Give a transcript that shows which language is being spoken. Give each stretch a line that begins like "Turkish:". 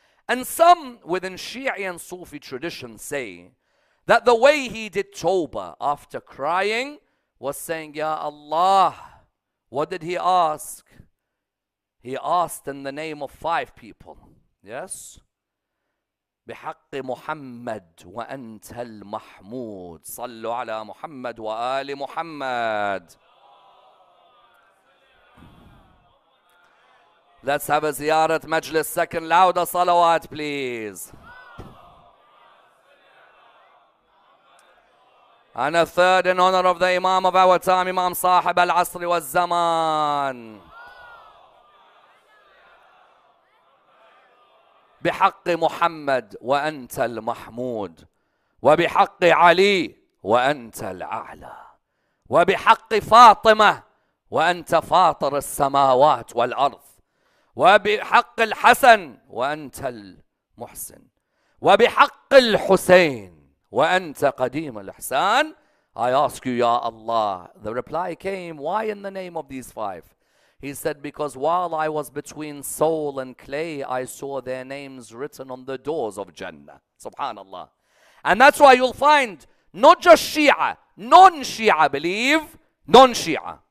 English: And some within Shi'i and Sufi tradition say that the way he did Tawbah after crying was saying, Ya Allah, what did he ask? He asked in the name of 5 people. Yes?
Arabic: بحق محمد وأنت المحمود صلوا على محمد وآل محمد.
English: Let's have a ziyarat majlis second. Louder salawat, please. And a third in honor of the Imam of our time, Imam Sahib al-Asr wa al-Zaman.
Arabic: بحق محمد وأنت المحمود وبحق علي وأنت الأعلى وبحق فاطمة وأنت فاطر السماوات والأرض وبحق الحسن وأنت المحسن وبحق الحسين وأنت قديم الإحسان.
English: I ask you, ya Allah. The reply came, why in the name of these five? He said, because while I was between soul and clay, I saw their names written on the doors of Jannah. Subhanallah. And that's why you'll find not just Shia, non-Shia believe, non-Shia.